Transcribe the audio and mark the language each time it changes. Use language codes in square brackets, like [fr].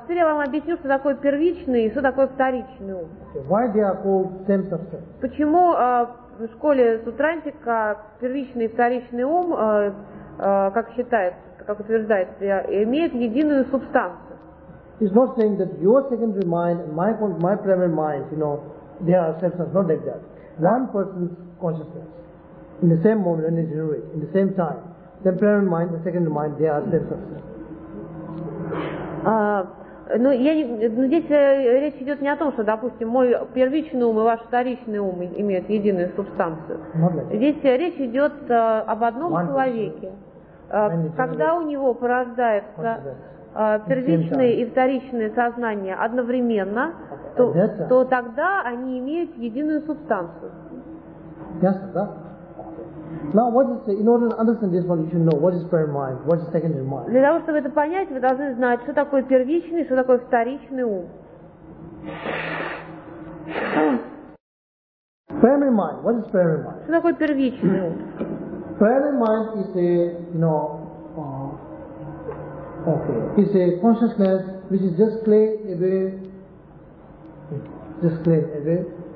[ru] Теперь я вам объясню, что такое первичный и что такое вторичный ум. [en] Why they are called same substance? [ru] Почему в школе Сутрантика первичный и вторичный ум, как считается, как утверждается, имеет единую субстанцию? [en] It's not saying that your secondary mind, my primary mind, you know, they are same substance. Not like that. One person's consciousness in the same moment and is generated in the same time. The primary mind, the secondary mind, they are same substance. [ru] Здесь речь идет не о том, что, допустим, мой первичный ум и ваш вторичный ум имеют единую субстанцию. Здесь речь идет об одном человеке. Когда у него порождается первичное и вторичное сознание одновременно, то тогда они имеют единую субстанцию. Ясно, да? [en] Now, what is the, in order to understand this one, you should know what is prayer mind, what is secondary mind. [ru] Для того, чтобы это понять, вы должны знать, что такое первичный, что такое вторичный ум. [en] Primary mind. What is primary mind? [ru] Что такое первичный ум? [en] Primary mind is a, is a consciousness which is just clear away,